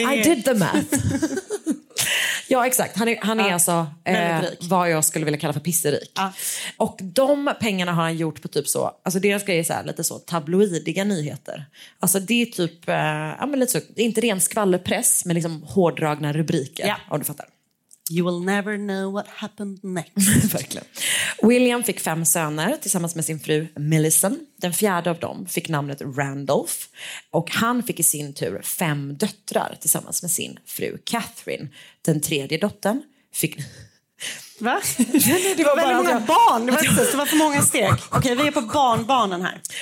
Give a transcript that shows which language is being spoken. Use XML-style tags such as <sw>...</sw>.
<en>I did the math.</en> <sv>Ja, exakt. Han är alltså vad jag skulle vilja kalla för pisserik. Ja. Och de pengarna har han gjort på typ så, alltså deras grejer är så här, lite så tabloidiga nyheter. Alltså det är typ lite så, inte ren skvallerpress men liksom hårdragna rubriker, ja. Om du fattar.</sv> <en>You will never know what happened next.</en> <sv>Verkligen. William fick 5 söner tillsammans med sin fru Millicent. Den fjärde av dem fick namnet Randolph. Och han fick i sin tur 5 döttrar tillsammans med sin fru Catherine. Den tredje dottern fick... Va? Det var väldigt många barn. Det var för många steg. Okej, vi är på barnbarnen här.</sv>